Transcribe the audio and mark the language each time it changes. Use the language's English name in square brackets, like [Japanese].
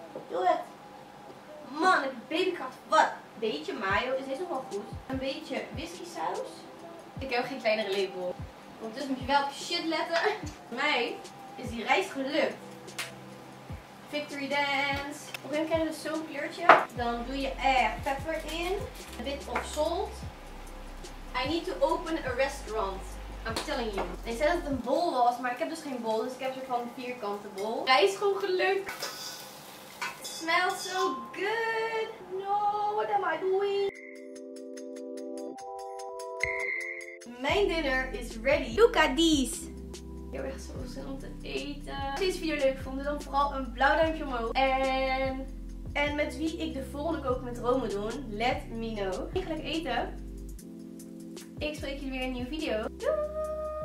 [Dutch] Doe het. Man, ik heb babykracht. Wat? Beetje mayo. Is deze nog wel goed? Een beetje whisky saus. Ik heb geen kleinere lepel. Ondertussen moet je wel op shit letten. Voor mij is die rijst gelukt. [English] Victory dance. [Dutch] Op een gegeven moment krijg je dus zo'n kleurtje. Dan doe je pepper in. [English] A bit of salt. I need to open a restaurant. I'm telling you. [Dutch] Ik zei dat het een bol was, maar ik heb dus geen bol. Dus ik heb zo'n vierkante bol. Hij is gewoon gelukt. [English] It smells so good. No, what am I doing? Mijn dinner is ready. Look at these. [Dutch] heb echt zo zin om te eten. Als je deze video leuk vond, dan vooral een blauw duimpje omhoog. En met wie ik de volgende Koken met Dromen doe, [English] let me know. [Dutch] Ik ga lekker eten. Ik spreek jullie weer in een nieuwe video. Doei!